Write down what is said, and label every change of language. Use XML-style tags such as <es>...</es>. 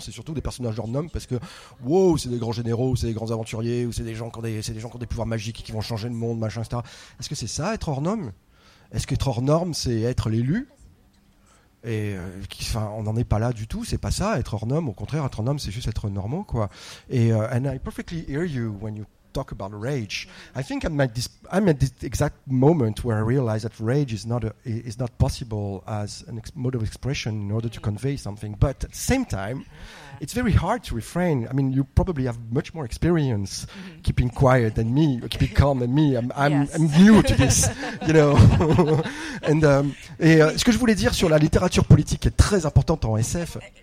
<fr>C'est surtout des personnages hors normes parce que, wow, c'est des grands généraux, ou c'est des grands aventuriers, ou c'est des gens qui ont des pouvoirs magiques et qui vont changer le monde, machin, etc. Est-ce que c'est ça, être hors normes ? Est-ce qu'être hors normes, c'est être l'élu ? Et on n'en est pas là du tout, c'est pas ça, être hors normes. Au contraire, être hors normes, c'est juste être normaux, quoi.</fr> <en>Et and I perfectly hear you when you talk about rage. I think I'm at this exact moment where I realize that rage is not possible as an mode of expression in order to convey something. But at the same time, it's very hard to refrain. I mean, you probably have much more experience keeping quiet than me, keeping calm than me. I'm new to this, you know.</en> <fr>ce que je voulais dire sur la littérature politique est très importante en SF.</fr>